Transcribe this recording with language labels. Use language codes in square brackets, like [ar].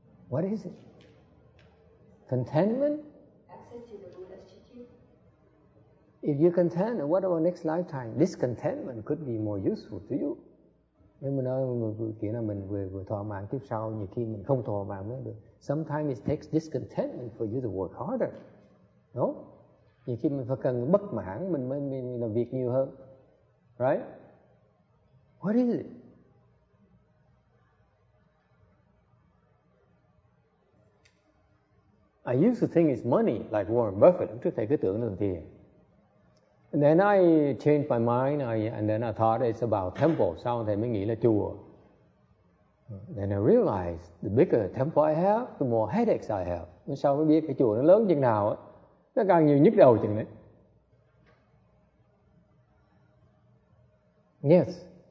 [en] What is it? Contentment? Access to the Buddha's teaching. If you're content, what about next lifetime? Discontentment could be more useful to you. [vi] Nếu mình nói kiểu là mình vừa thỏa mãn kiếp sau, nhiều khi mình không thỏa mãn nữa được. [en] Sometimes it takes discontentment for you to work harder. No? [vi] Nhiều khi mình phải cần bất mãn mình mới làm việc nhiều hơn. [en] Right? What is it? I used to think it's money, like Warren Buffett. [vi] Lúc trước thầy cứ tưởng là tiền. [en] And then I changed my mind, and then I thought it's about temple. [vi] Sau thầy mới nghĩ là chùa. [en] Then I realized the bigger the temple I have, the more headaches I have. [vi] Sau mới biết cái chùa nó lớn chừng nào ấy, nó càng nhiều nhức đầu chừng đấy. [en] Yes.